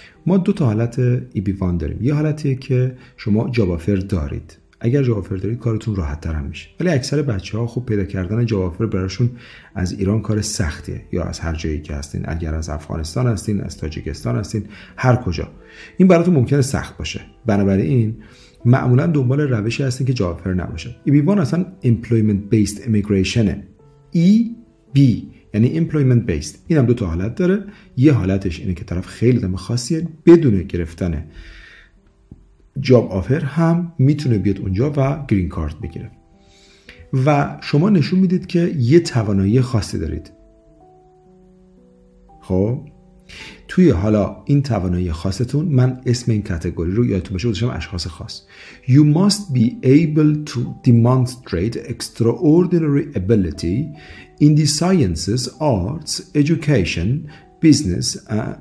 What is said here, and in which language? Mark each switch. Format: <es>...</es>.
<fa>ما دو تا حالت EB1 داریم. یه حالتیه که شما جاب آفر دارید، اگر جاب آفر دارید کارتون راحت تر هم میشه، ولی اکثر بچه‌ها خب پیدا کردن جاب آفر براشون از ایران کار سختیه، یا از هر جایی که هستین، اگر از افغانستان هستین، از تاجیکستان هستین، هر کجا، این براتون ممکنه سخت باشه. بنابراین معمولا دنبال روشی هستین که جاب آفر نباشه. EB1 اصلا employment based immigration، EB یعنی employment based. این هم دو تا حالت داره. یه حالتش اینه که طرف خیلی دم خاصیه، بدون گرفتن جاب آفر هم میتونه بیاد اونجا و گرین کارت بگیره و شما نشون میدید که یه توانایی خاصی دارید. خب توی حالا این توانایی خاصتون، من اسم این کاتگوری رو یادتون باشه گذاشتم اشخاص خاص،</fa> <en>you must be able to demonstrate extraordinary ability in the sciences, arts, education, business.</en>